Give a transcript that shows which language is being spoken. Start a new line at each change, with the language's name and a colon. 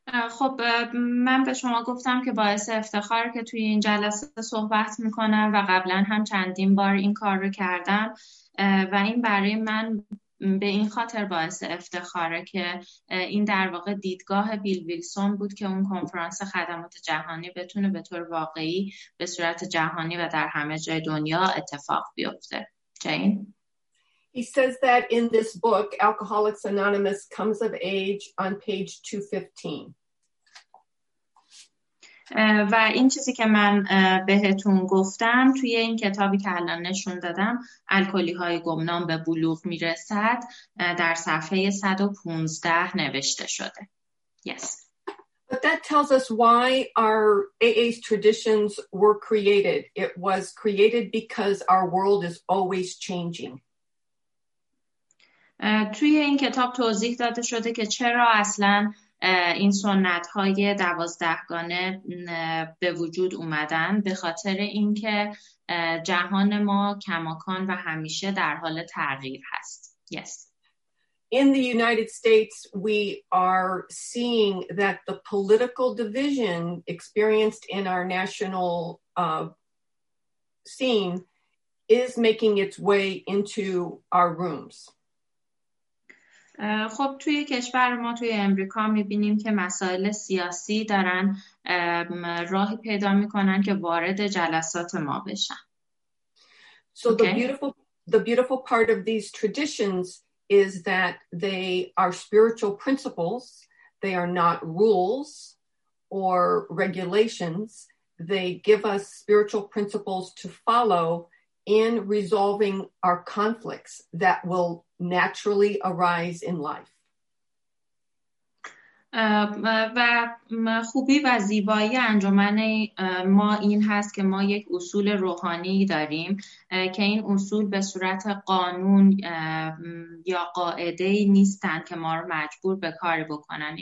Persian: خب من به شما گفتم که باعث افتخار که توی این جلسه صحبت میکنم و قبلا هم چندین بار این کار رو کردم و این برای من به این خاطر باعث افتخاره که این در واقع دیدگاه بیل ویلسون بود که اون کنفرانس خدمات جهانی بتونه به طور واقعی به صورت جهانی و در همه جای دنیا اتفاق بیفته. جین؟
English: He says that in this book, Alcoholics Anonymous Comes of Age on page 215.
Persian: و این چیزی که من بهتون گفتم توی این کتابی که الان نشون دادم الکلی های گمنام به بلوغ میرسد در صفحه 115 نوشته شده.
English: Yes. But that tells us why our AA's traditions were created. It was created because our world is always changing.
Persian: توی این کتاب توضیح داده شده که چرا اصلا این سنت‌های 12 گانه به وجود اومدن، به خاطر اینکه جهان ما کماکان و همیشه در حال تغییر هست.
English: Yes. In the United States, we are seeing that the political division experienced in our national scene is making its way into our rooms.
Persian: خب توی کشور ما توی امریکا میبینیم که مسائل سیاسی دارن راهی پیدا میکنن که وارد جلسات ما بشن.
English: So okay. the beautiful part of these traditions is that they are spiritual principles. They are not rules or regulations. They give us spiritual principles to follow in resolving our conflicts that will naturally arise in life.
Persian: و خوبی و زیبایی انجمن ما این هست که ما یک اصول روحانی داریم که این اصول به صورت قانون یا قاعده‌ای نیستن که ما رو مجبور به کار بکنن.